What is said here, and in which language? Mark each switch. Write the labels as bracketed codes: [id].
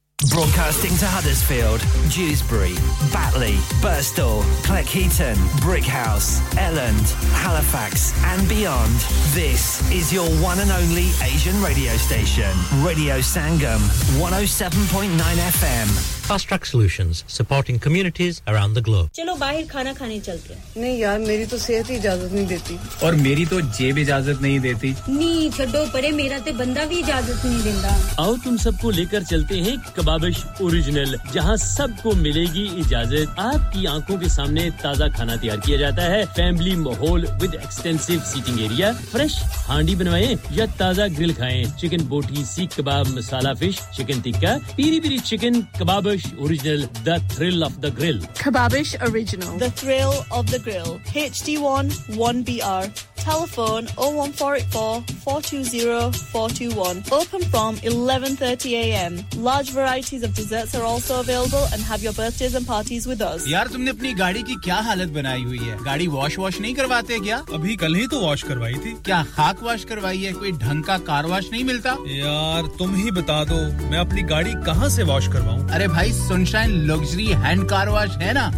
[en] Broadcasting to Huddersfield, Dewsbury, Batley, Birstall, Cleckheaton, Brickhouse, Elland, Halifax and beyond. This is your one and only Asian radio station. Radio Sangam, 107.9 FM. Fast Track Solutions, supporting communities around the globe. [hi] चलो बाहर खाना खाने चलते हैं। नहीं यार, मेरी तो सेहत ही इजाजत नहीं देती। और मेरी तो जेब इजाजत नहीं देती। नहीं छोड़ो परे, मेरा तो बंदा भी इजाजत नहीं देता। आओ तुम सबको लेकर चलते हैं कबाबिश ओरिजिनल, जहां सबको मिलेगी इजाजत। आपकी आंखों के सामने ताजा खाना तैयार किया जाता है। फैमिली माहौल [en] With extensive seating area. [hi] Fresh हांडी बनवाएं या ताजा ग्रिल खाएं। चिकन बोटी, सीख कबाब, मसाला fish, chicken tikka, Piri Piri chicken kebab. [en] Kebabish Original, the thrill of the grill. Kebabish Original, the thrill of the grill. HD1 1BR. Telephone 01484 420 421. Open from 11:30 AM. Large varieties of desserts are also available, and have your birthdays and parties with us. [hi] यार तुमने अपनी गाड़ी की क्या हालत बनाई हुई है? गाड़ी wash नहीं करवाते क्या? अभी कल ही तो wash करवाई थी. क्या खाक wash करवाई है? कोई ढंग का car wash नहीं मिलता? यार तुम ही बता दो, मैं अपनी गाड़ी कहाँ से wash करवाऊँ? अरे भाई Sunshine Luxury Hand Car Wash है ना?